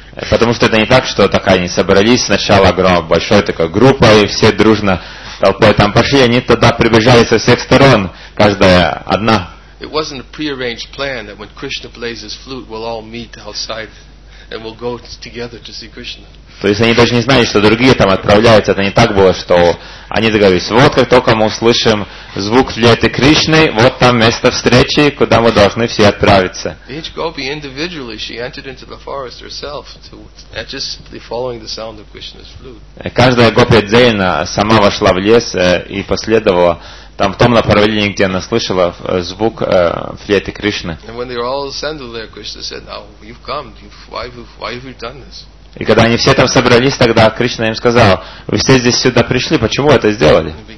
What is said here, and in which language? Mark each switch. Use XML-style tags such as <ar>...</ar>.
<ru>Потому что это не так, что так они собрались сначала большой такой группой, все дружно толпой там пошли, они туда прибежали со всех сторон, каждая одна.</ru> <en>It wasn't a prearranged plan that when Krishna plays his flute, we'll all meet outside and we'll go together to see Krishna.</en> <ru>То есть они даже не знали, что другие там отправляются. Это не так было, что они договорились. Вот как только мы услышим звук флейты Кришны, вот там место встречи, куда мы должны все отправиться.</ru> <en>Each gopi individually, she entered into the forest herself, just following the sound of Krishna's flute.</en> <ru>Каждая гопи отдельно сама вошла в лес и последовала там в том направлении, где она слышала звук флейты Кришны.</ru> <en>And when they were all assembled there, Krishna said, "Now you've come. Why have you done this?"</en> <ru>И когда они все там собрались, тогда Кришна им сказал, вы все здесь сюда пришли, почему вы это сделали?</ru>